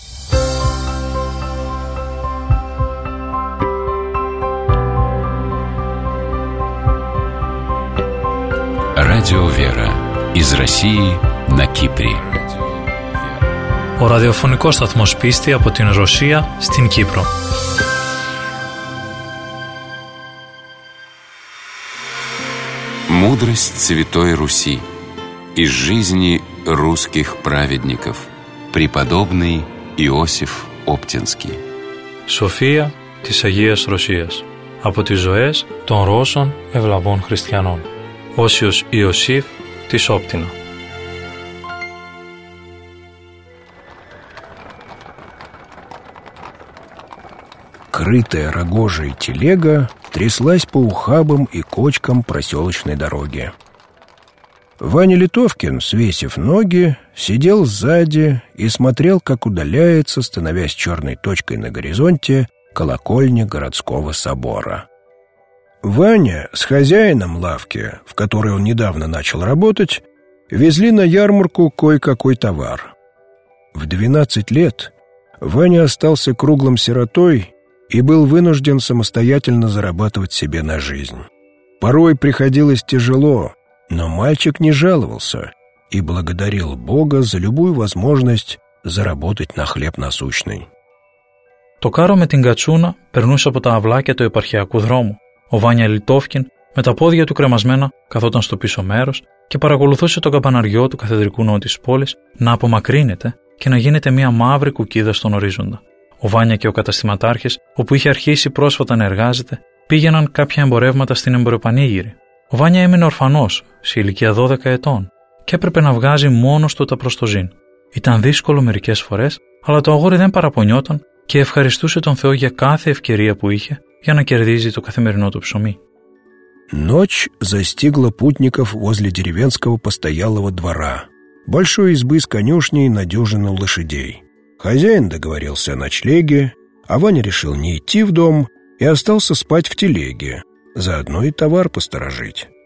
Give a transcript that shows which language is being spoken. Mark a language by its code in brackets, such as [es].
[ru] Радио Вера из России на Кипре. [el] Ο ραδιοφωνικός σταθμός πίστη από την Ρωσία στην Κύπρο. [ru] Мудрость Святой Руси из жизни русских праведников, преподобный Иосиф Оптинский. [el] София της Αγίας Ρωσίας από τις ζωές των Ρώσων ευλαβών χριστιανών. Όσιος Ιωσήφ της Όπτινα. [ru] Крытая рогожей телега тряслась по ухабам и кочкам проселочной дороги. Ваня Литовкин, свесив ноги, сидел сзади и смотрел, как удаляется, становясь черной точкой на горизонте, колокольня городского собора. Ваня с хозяином лавки, в которой он недавно начал работать, везли на ярмарку кое-какой товар. В 12 лет Ваня остался круглым сиротой и был вынужден самостоятельно зарабатывать себе на жизнь. Порой приходилось тяжело, но мальчик не жаловался и благодарил Бога за любую возможность заработать на хлеб насущный. [el] Το κάρο με την κατσούνα περνούσε από τα αυλάκια του επαρχιακού δρόμου. Ο Βάνια Λιτόφκιν, με τα πόδια του κρεμασμένα, καθόταν στο πίσω μέρος και παρακολουθούσε τον καμπαναριό του καθεδρικού νότης πόλης να απομακρύνεται και να γίνεται μια μαύρη κουκίδα στον ορίζοντα. Ο Βάνια και ο καταστηματάρχης, όπου είχε αρχίσει πρόσφατα να εργάζεται, πήγαιναν κάποια εμπορεύματα στην Εμπορεπανήγυρη. Ο Βάνια έμεινε ορφανός, σε ηλικία 12 ετών, και έπρεπε να βγάζει μόνος του τα προστοζήν. Ήταν δύσκολο μερικές φορές, αλλά το αγόρι δεν παραπονιόταν και ευχαριστούσε τον Θεό για κάθε ευκαιρία που είχε για να κερδίζει το καθημερινό του ψωμί. [ru] Ночь застигла путников возле деревенского постоялого двора, большой избы с конюшней на дюжину лошадей. Хозяин договорился о ночлеге, а Ваня решил не идти в дом и остался спать в телеге, заодно и товар посторожить.